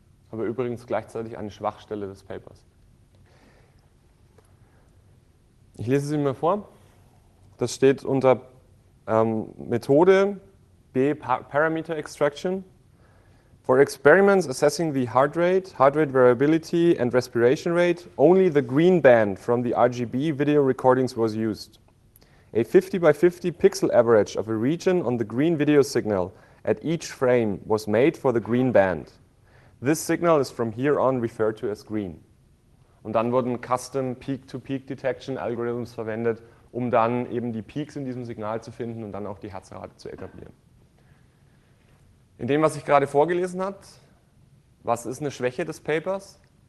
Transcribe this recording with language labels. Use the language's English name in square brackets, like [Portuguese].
[German] Aber übrigens gleichzeitig eine Schwachstelle des Papers. Ich lese sie mir vor. Das steht unter Methode B, Parameter Extraction. [English] For experiments assessing the heart rate variability and respiration rate, only the green band from the RGB video recordings was used. A 50 by 50 pixel average of a region on the green video signal at each frame was made for the green band. This signal is from here on referred to as green. [German] Und dann wurden [English] custom peak-to-peak detection algorithms [German] verwendet, um dann eben die Peaks in diesem Signal zu finden und dann auch die Herzrate zu etablieren. In dem, was ich gerade vorgelesen habe, was ist eine Schwäche des Papers?